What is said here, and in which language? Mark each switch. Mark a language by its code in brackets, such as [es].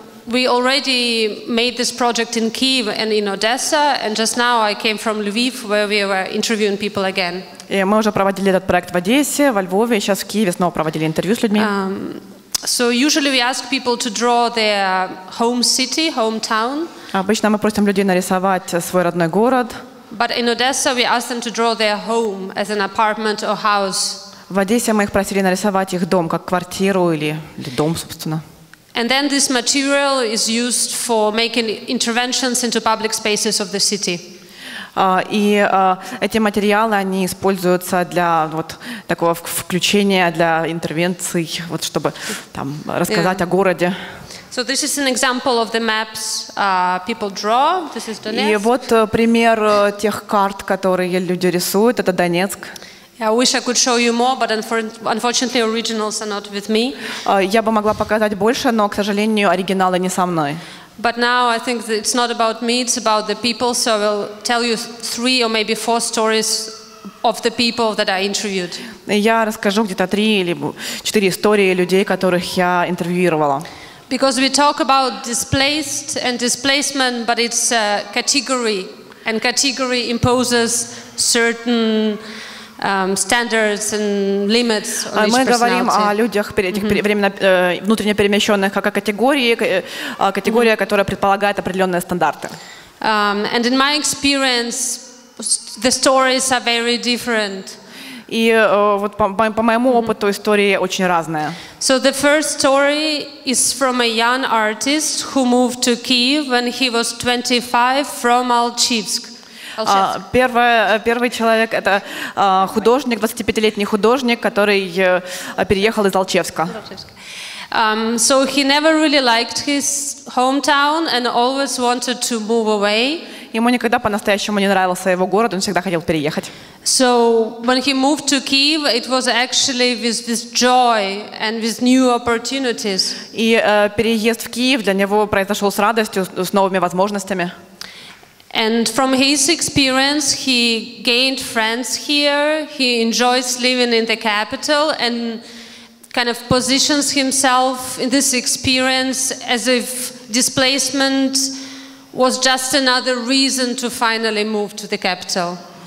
[en] We already made this project in Kyiv and in Odessa and just now I came from Lviv where we were interviewing people again. [uk] І ми вже проводили цей проект в Одесі, в Львові, зараз в Києві знову проводили інтерв'ю з людьми. [en] So usually we ask people to draw their home city, hometown. [ru] Обычно мы просим людей нарисовать свой родной город. [en] But in Odessa we ask them to draw their home as an apartment or house. [ru] В Одессе мы их просили нарисовать их дом как квартиру или дом, собственно. [en] And then this material is used for making interventions into public spaces of the city. [ru] Эти материалы они используются для вот такого включения для интервенций, вот чтобы там рассказать о городе. [en] So this is an example of the maps people draw. This is Donetsk. [ru] И вот пример тех карт, которые люди рисуют, это Донецк. [en] I wish I could show you more, but unfortunately originals are not with me. [ru] Я бы могла показать больше, но, к сожалению, оригиналы не со мной. [en] But now I think that it's not about me, it's about the people, so I will tell you three or maybe four stories of the people that I interviewed. [ru] Я расскажу где-то 3 или 4 истории людей, которых я интервьюировала. [en] Because we talk about displaced and displacement, but it's a category, and category imposes certain standards and limits on each personality. [ru] Мы говорим о людях, этих временно внутренне перемещенных, как о категории, категория, которая предполагает определенные стандарты. [en] And in my experience, the stories are very different. [ru] И вот по моему опыту истории очень разные. [en] So the first story is from a young artist who moved to Kyiv when he was 25 from Alchevsk. [ru] Первый человек это художник, 25-летний художник, который переехал из Алчевска. [en] So he never really liked his hometown and always wanted to move away. [ru] Ему никогда по-настоящему не нравился его город, он всегда хотел переехать. [en] So when he moved to Kyiv, it was actually with this joy and with new opportunities. [ru] И переезд в Киев для него произошел с радостью, с новыми возможностями. [en] And from his experience, he gained friends here. He enjoys living in the capital and kind of positions himself in this experience as if displacement was just another reason to finally move to the capital.